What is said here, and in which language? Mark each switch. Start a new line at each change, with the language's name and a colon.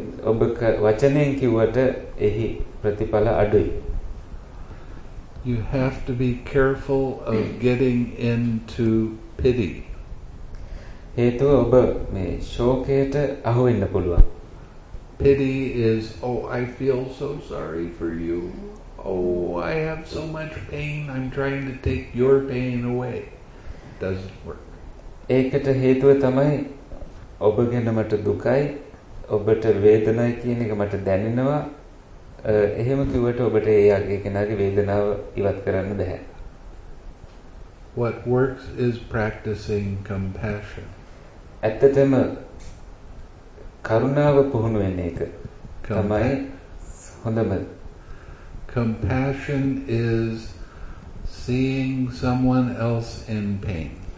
Sinhala: ඔබ වචනයෙන් කිව්වට එහි ප්‍රතිඵල අඩුයි.
English: You have to be careful of getting into pity.
Sinhala: හේතුව ඔබ මේ ශෝකයට අහු වෙන්න පුළුවන්.
English: Pity is, oh, I feel so sorry for you. Oh, I have so much pain. I'm trying to take your pain away. Doesn't work.
Sinhala: ඒකට හේතුව තමයි ඔබ ගැන මට දුකයි, ඔබට වේදනයි කියන එක මට දැනෙනවා. එහෙම කිව්වට ඔබට ඒ අගේ කෙනාගේ වේදනාව ඉවත් කරන්න බෑ.
English: What works is practicing compassion.
Sinhala: ඇත්තටම කරුණාව පුහුණු වෙන එක තමයි හොඳම.
English: Compassion is seeing someone else in pain.